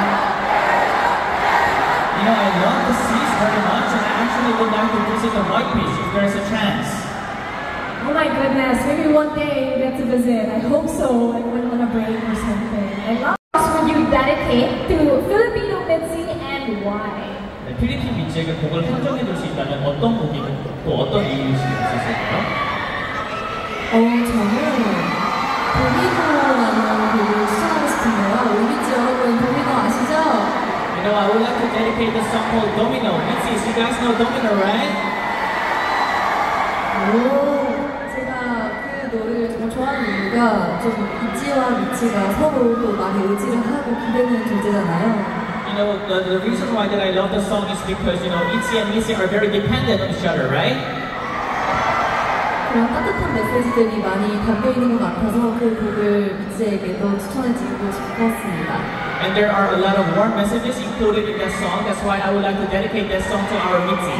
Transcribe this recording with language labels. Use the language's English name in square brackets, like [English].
[English] You know, I love the seas very much, and I actually would like to visit the White Beach if there is a chance. Oh my goodness, maybe one day you get to visit. I hope so, like when on a break or something. And what would you dedicate to Filipino ITZY and why? [Korean] 네, 필리핀 ITZY가 곡을 선정해 줄 수 있다면 어떤 곡이고 또 어떤 이유일 수 있을까요? 저는 도미노라는 곡을 시작했습니다. 우리 지역은 도미노 아시죠? [English] You know, I would like to dedicate the song called Domino. ITZY, you guys know Domino, right? [Korean] 오, 제가 그 노래를 정말 좋아하는 이유가 좀 ITZY와 ITZY가 서로 또 많이 의지를 하고 기대는 존재잖아요. [English] You know, the reason why that I love the song is because, you know, ITZY and ITZY are very dependent on each other, right? [Korean] 그런 따뜻한 메시지들이 많이 담겨있는 것 같아서 그 곡을 ITZY에게도 추천해드리고 싶었습니다. [English] And there are a lot of warm messages included in that song. That's why I would like to dedicate that song to our ITZYs.